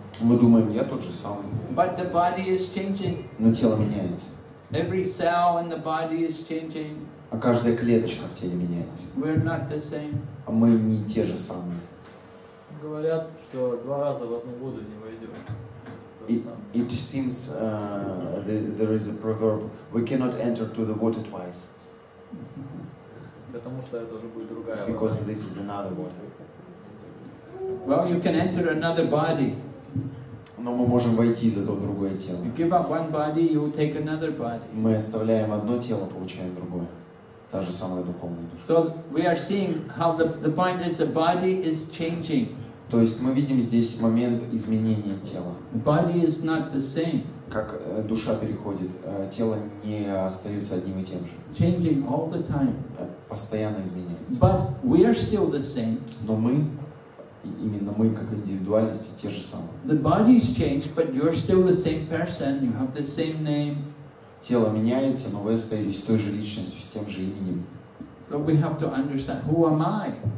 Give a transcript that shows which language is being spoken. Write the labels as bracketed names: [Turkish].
[Russian] Мы думаем, я тот же самый. [English] But the body is changing. [Russian] Но тело меняется. [English] Every cell in the body is changing. [Russian] А каждая клеточка в теле меняется. [English] We are not the same. [Russian] А мы не те же самые. Говорят, что два раза в одну воду не войдешь. [English] It seems there is a proverb: we cannot enter to the water twice. [Russian] Потому что это уже будет другая вода. [English] Because this is another water. Well, you can enter another body. [Russian] Но мы можем войти зато в другое тело. [English] You give up one body, you will take another body. [Russian] Мы оставляем одно тело, получаем другое, та же самая духовная душа. [English] So we are seeing how the point is the body is changing. [Russian] То есть мы видим здесь момент изменения тела. [English] Body is not the same. [Russian] Как душа переходит, тело не остается одним и тем же. [English] Changing all the time. [Russian] Постоянно изменяется. [English] But we are still the same. [Russian] Но мы, именно мы как индивидуальности, те же самые. [English] The body is changed, but you're still the same person. You have the same name. [Russian] Тело меняется, но вы остаетесь той же личностью с тем же именем. [English] So we have to understand who am I.